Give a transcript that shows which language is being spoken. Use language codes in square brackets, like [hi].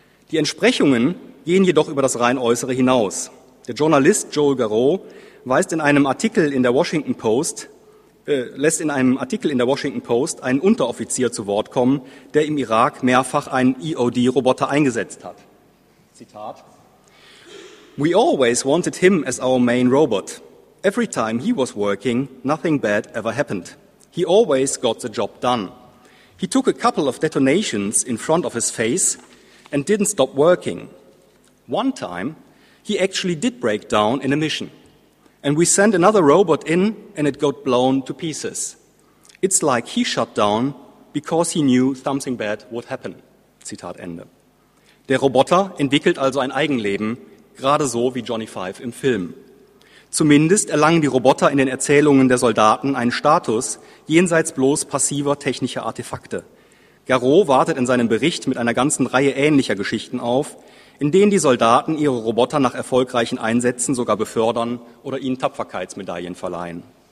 [de] Die Entsprechungen gehen jedoch über das rein Äußere hinaus. Der Journalist Joel Garreau lässt in einem Artikel in der Washington Post einen Unteroffizier zu Wort kommen, der im Irak mehrfach einen EOD-Roboter eingesetzt hat. [en] Zitat: "We always wanted him as our main robot. Every time he was working, nothing bad ever happened. He always got the job done. He took a couple of detonations in front of his face and didn't stop working. One time, he actually did break down in a mission. And we sent another robot in and it got blown to pieces. It's like he shut down because he knew something bad would happen." [de] Zitat Ende. Der Roboter entwickelt also ein Eigenleben, gerade so wie Johnny Five im Film. Zumindest erlangen die Roboter in den Erzählungen der Soldaten einen Status jenseits bloß passiver technischer Artefakte. Garreau wartet in seinem Bericht mit einer ganzen Reihe ähnlicher Geschichten auf, in denen die Soldaten ihre Roboter nach erfolgreichen Einsätzen sogar befördern oder ihnen Tapferkeitsmedaillen verleihen.